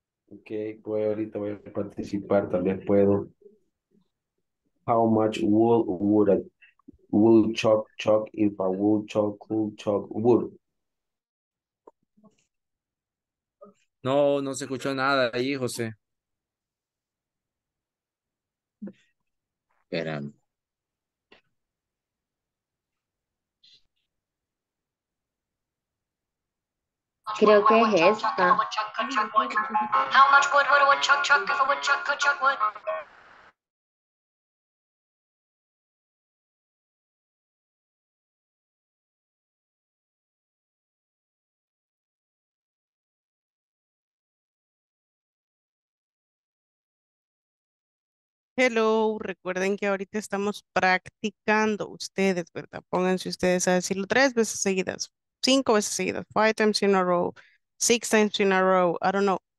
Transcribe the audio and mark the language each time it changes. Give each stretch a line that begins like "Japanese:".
Spanish: Ok, pues ahorita voy a participar, tal vez puedo.
English: How much wood would a wood chuck chuck if a wood chuck could chuck wood?
Spanish: No, no se escuchó nada ahí, José. Espérame. Creo que es esta.
English: How much wood would a woodchuck chuck if a woodchuck could chuck wood?
Spanish: Hello, recuerden que ahorita estamos practicando ustedes, ¿verdad? Pónganse ustedes a decirlo 3 veces seguidas. 5 veces seguidas,
English: 5 times in a row, 6 times in a row, I don't know.